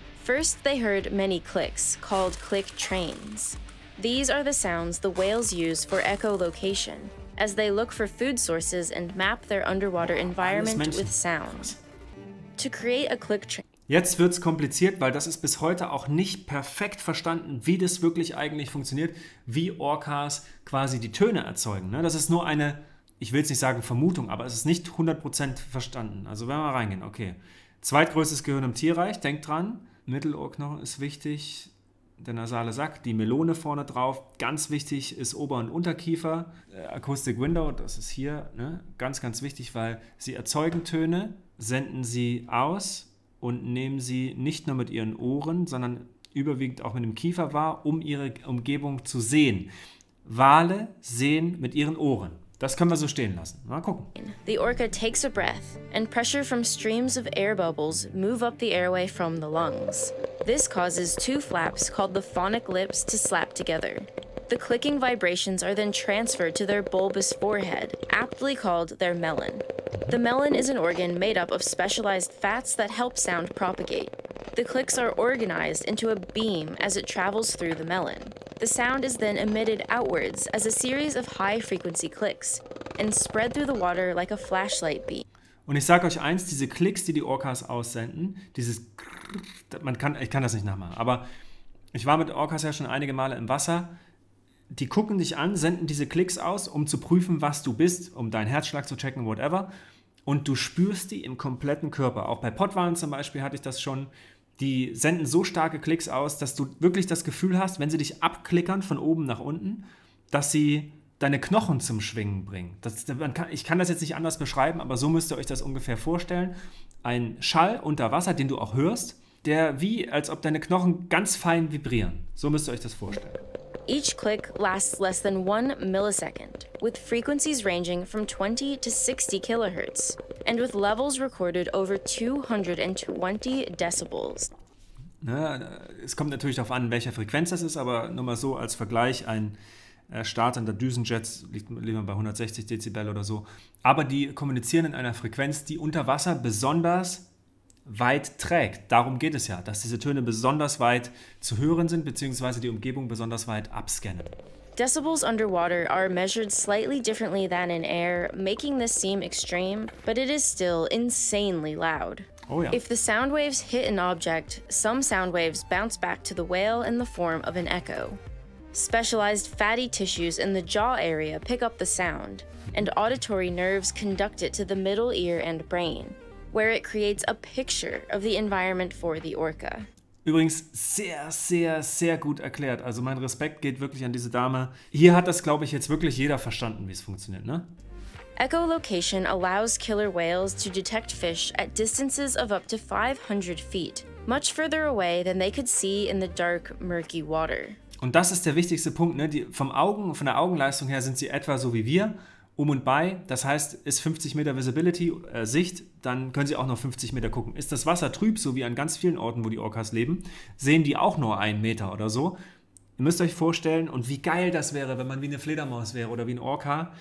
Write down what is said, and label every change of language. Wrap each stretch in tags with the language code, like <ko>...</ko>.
<en>First, they heard many clicks, called click trains. These are the sounds the whales use for echolocation, as they look for food sources and map their underwater environment with sound. To create a click train.</en> <de>Jetzt wird's kompliziert, weil das ist bis heute auch nicht perfekt verstanden, wie das wirklich eigentlich funktioniert, wie Orcas quasi die Töne erzeugen. Das ist nur eine, ich will es nicht sagen Vermutung, aber es ist nicht 100% verstanden. Also wenn wir mal reingehen, okay. Zweitgrößtes Gehirn im Tierreich, denkt dran, Mittelohrknochen ist wichtig, der nasale Sack, die Melone vorne drauf, ganz wichtig ist Ober- und Unterkiefer, Acoustic Window, das ist hier, ne? Ganz, ganz wichtig, weil sie erzeugen Töne, senden sie aus und nehmen sie nicht nur mit ihren Ohren, sondern überwiegend auch mit dem Kiefer wahr, um ihre Umgebung zu sehen. Wale sehen mit ihren Ohren. Das können wir so stehen lassen. Mal gucken.</de> <en>The orca takes a breath, and pressure from streams of air bubbles move up the airway from the lungs. This causes two flaps called the phonic lips to slap together. The clicking vibrations are then transferred to their bulbous forehead, aptly called their melon. The melon is an organ made up of specialized fats that help sound propagate. The clicks are organized into a beam as it travels through the melon. The sound is then emitted outwards as a series of high-frequency clicks and spread through the water like a flashlight beam.</en> <de>Und ich sage euch eins, diese Klicks, die die Orcas aussenden, dieses Krrr, ich kann das nicht nachmachen, aber ich war mit Orcas ja schon einige Male im Wasser. Die gucken dich an, senden diese Klicks aus, um zu prüfen, was du bist, um deinen Herzschlag zu checken, whatever. Und du spürst die im kompletten Körper. Auch bei Pottwalen zum Beispiel hatte ich das schon. Die senden so starke Klicks aus, dass du wirklich das Gefühl hast, wenn sie dich abklickern von oben nach unten, dass sie deine Knochen zum Schwingen bringen. Ich kann das jetzt nicht anders beschreiben, aber so müsst ihr euch das ungefähr vorstellen. Ein Schall unter Wasser, den du auch hörst, der wie, als ob deine Knochen ganz fein vibrieren. So müsst ihr euch das vorstellen.</de> <en>Each click lasts less than 1 millisecond, with frequencies ranging from 20 to 60 kilohertz, and with levels recorded over 220 decibels.</en> <de>Na, es kommt natürlich darauf an, welcher Frequenz das ist, aber nur mal so als Vergleich, ein startender Düsenjet liegt bei 160 Dezibel oder so. Aber die kommunizieren in einer Frequenz, die unter Wasser besonders weit trägt. Darum geht es ja, dass diese Töne besonders weit zu hören sind, beziehungsweise die Umgebung besonders weit abscannen.</de> <en>Decibels underwater are measured slightly differently than in air, making this seem extreme, but it is still insanely loud.</en> <de>Oh ja.</de> <en>If the sound waves hit an object, some sound waves bounce back to the whale in the form of an echo. Specialized fatty tissues in the jaw area pick up the sound, and auditory nerves conduct it to the middle ear and brain, where it creates a picture of the environment for the orca.</en> <de>Übrigens sehr, sehr, sehr gut erklärt. Also mein Respekt geht wirklich an diese Dame. Hier hat das, glaube ich, jetzt wirklich jeder verstanden, wie es funktioniert, ne?</de> <en>Echolocation allows killer whales to detect fish at distances of up to 500 feet, much further away than they could see in the dark, murky water.</en> <de>Und das ist der wichtigste Punkt, ne? Von der Augenleistung her sind sie etwa so wie wir. Um und bei, das heißt, ist 50 Meter Visibility, Sicht, dann können sie auch noch 50 Meter gucken. Ist das Wasser trüb, so wie an ganz vielen Orten, wo die Orcas leben, sehen die auch nur einen Meter oder so. Ihr müsst euch vorstellen, und wie geil das wäre, wenn man wie eine Fledermaus wäre oder wie ein Orca.</de>